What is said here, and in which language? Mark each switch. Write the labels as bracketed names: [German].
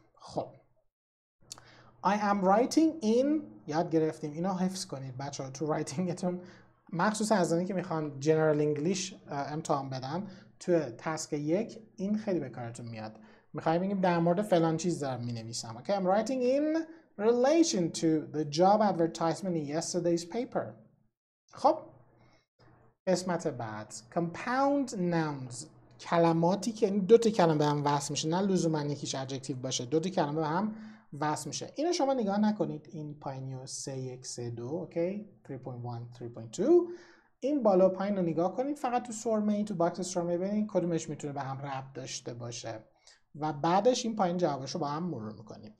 [Persian] خب [English] I am writing in، [Persian] یاد گرفتیم اینو حفظ کنید بچه ها تو writingتون، مخصوصا از اونی که میخوان general english امتحان بدم، تو task یک این خیلی به کارتون میاد. میخواییم بگیم در مورد فلان چیز دارم مینویسم. [English] Okay, I'm writing in relation to the job advertisement in yesterday's paper. [Persian] خب قسمت بعد compound nouns، کلماتی که دو تا کلمه به هم وصل میشه، نه لزوما یکیش ادجکتیو باشه، دو تا کلمه به هم وصل میشه. اینو شما نگاه نکنید، این پایینیو 3.1.3.2 okay 3.1.3.2 این بالا پایین رو نگاه کنید، فقط تو سورمه تو باکس سورمه ببینید کدومش میتونه به هم ربط داشته باشه و بعدش این پایین جوابش رو با هم مرور میکنیم.